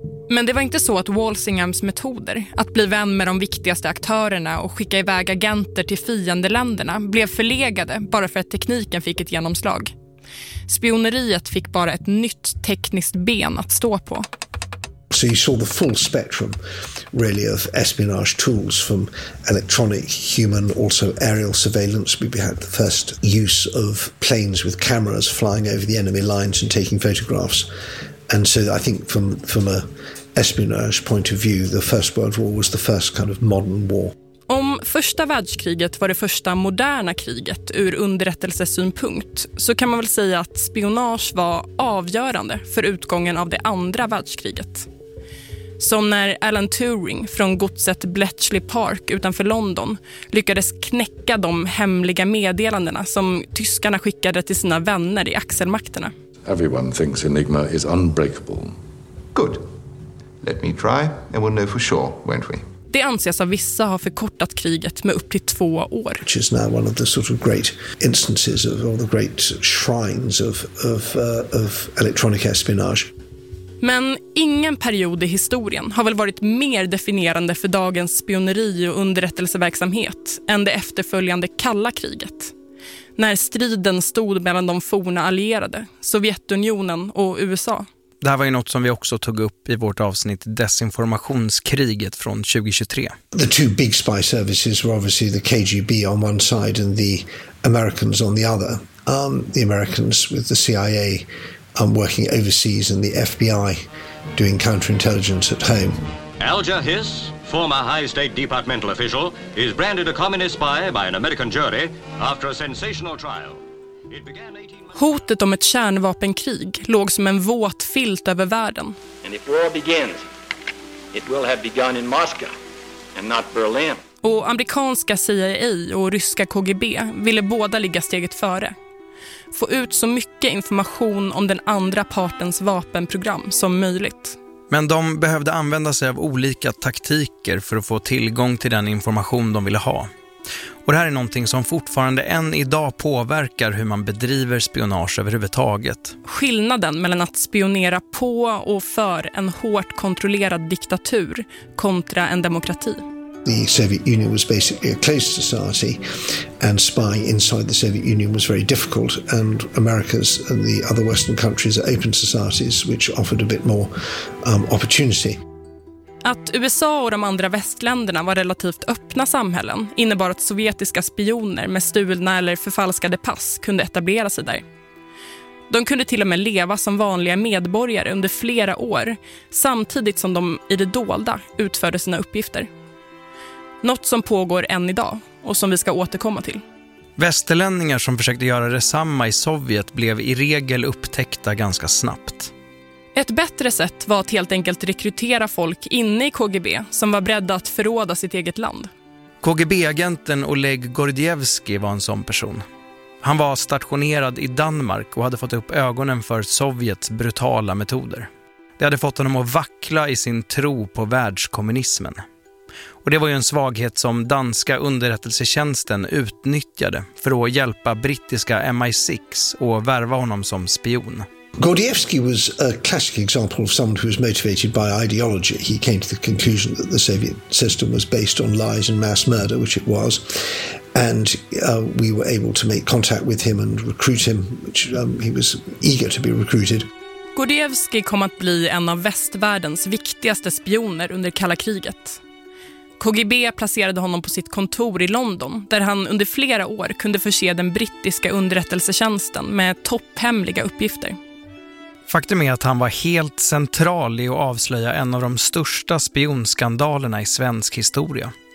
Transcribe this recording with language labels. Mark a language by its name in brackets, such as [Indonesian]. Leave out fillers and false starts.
[Swedish] Men det var inte så att Walsinghams metoder, att bli vän med de viktigaste aktörerna och skicka iväg agenter till fiendeländerna, blev förlegade bara för att tekniken fick ett genomslag. Spioneriet fick bara ett nytt tekniskt ben att stå på. [English] So you saw the full spectrum really of espionage tools, from electronic, human, also aerial surveillance. We had the first use of planes with cameras flying over the enemy lines and taking photographs. And so I think from a espionage point of view, the First World War was the first kind of modern war. [Swedish] Om första världskriget var det första moderna kriget ur underrättelsesynpunkt, så kan man väl säga att spionage var avgörande för utgången av det andra världskriget. Som när Alan Turing från godset Bletchley Park utanför London lyckades knäcka de hemliga meddelandena som tyskarna skickade till sina vänner i axelmakterna. [English] Everyone thinks Enigma is unbreakable. Good. Let me try and we'll know for sure, won't we? [Swedish] Det anses av vissa ha förkortat kriget med upp till 2 år. [English] Which is now one of the sort of great instances of all the great shrines of electronic espionage. [Swedish] Men ingen period i historien har väl varit mer definierande för dagens spioneri och underrättelseverksamhet än det efterföljande kalla kriget. När striden stod mellan de forna allierade, Sovjetunionen och USA. Det här var ju något som vi också tog upp i vårt avsnitt Desinformationskriget från 2023. [English] The two big spy services were obviously the KGB on one side and the Americans on the other. The Americans with the CIA working overseas and the FBI doing counterintelligence at home. Alger Hiss, former high state departmental official, is branded a communist spy by an American jury after a sensational trial. [Swedish] Hotet om ett kärnvapenkrig låg som en våt filt över världen. [English] And if war begins, it will have begun in Moscow and not Berlin. [Swedish] Och amerikanska CIA och ryska KGB ville båda ligga steget före. Få ut så mycket information om den andra partens vapenprogram som möjligt. Men de behövde använda sig av olika taktiker för att få tillgång till den information de ville ha. Och det här är någonting som fortfarande än idag påverkar hur man bedriver spionage överhuvudtaget. Skillnaden mellan att spionera på och för en hårt kontrollerad diktatur kontra en demokrati. [English] The Soviet Union was basically a closed society, and spying inside the Soviet Union was very difficult, and America's and the other Western countries are open societies which offered a bit more opportunity. [Swedish] Att USA och de andra västländerna var relativt öppna samhällen innebar att sovjetiska spioner med stulna eller förfalskade pass kunde etablera sig där. De kunde till och med leva som vanliga medborgare under flera år samtidigt som de i det dolda utförde sina uppgifter. Något som pågår än idag och som vi ska återkomma till. Västerlänningar som försökte göra detsamma i Sovjet blev i regel upptäckta ganska snabbt. Ett bättre sätt var att helt enkelt rekrytera folk inne i KGB som var beredda att förråda sitt eget land. KGB-agenten Oleg Gordievsky var en sån person. Han var stationerad i Danmark och hade fått upp ögonen för Sovjets brutala metoder. Det hade fått honom att vackla i sin tro på världskommunismen. Och det var ju en svaghet som danska underrättelsetjänsten utnyttjade för att hjälpa brittiska MI6 och värva honom som spion. [English] Gordievsky was a classic example of someone who was motivated by ideology. He came to the conclusion that the Soviet system was based on lies and mass murder, which it was. And we were able to make contact with him and recruit him, which he was eager to be recruited. [Swedish] Gordievsky kom att bli en av västvärldens viktigaste spioner under kalla kriget. KGB placerade honom på sitt kontor i London, där han under flera år kunde förse den brittiska underrättelsetjänsten med topphemliga uppgifter. Faktum är att han var helt central i att avslöja en av de största spionskandalerna i svensk historia.